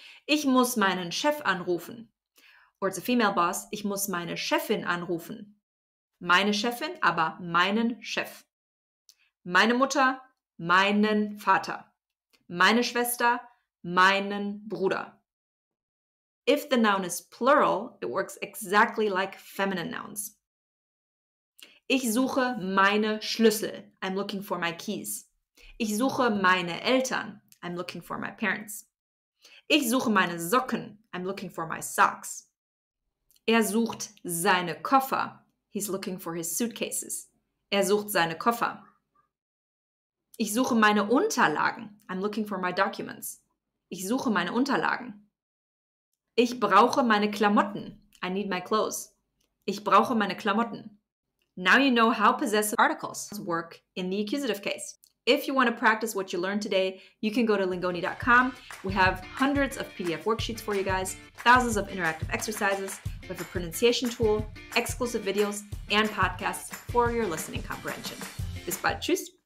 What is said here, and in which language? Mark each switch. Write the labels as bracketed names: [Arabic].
[German] Ich muss meinen Chef anrufen. [English] Or it's a female boss. [German] Ich muss meine Chefin anrufen. Meine Chefin, aber meinen Chef. Meine Mutter, meinen Vater. Meine Schwester, meinen Bruder. [English] If the noun is plural, it works exactly like feminine nouns. [German] Ich suche meine Schlüssel. [English] I'm looking for my keys. [German] Ich suche meine Eltern. [English] I'm looking for my parents. [German] Ich suche meine Socken. [English] I'm looking for my socks. [German] Er sucht seine Koffer. [English] He's looking for his suitcases. [German] Er sucht seine Koffer. Ich suche meine Unterlagen. [English] I'm looking for my documents. [German] Ich suche meine Unterlagen. Ich brauche meine Klamotten. [English] I need my clothes. [German] Ich brauche meine Klamotten. [English] Now you know how possessive articles work in the accusative case. If you want to practice what you learned today, you can go to lingoni.com. We have hundreds of PDF worksheets for you guys, thousands of interactive exercises, we have a pronunciation tool, exclusive videos, and podcasts for your listening comprehension. [German] Bis bald, tschüss!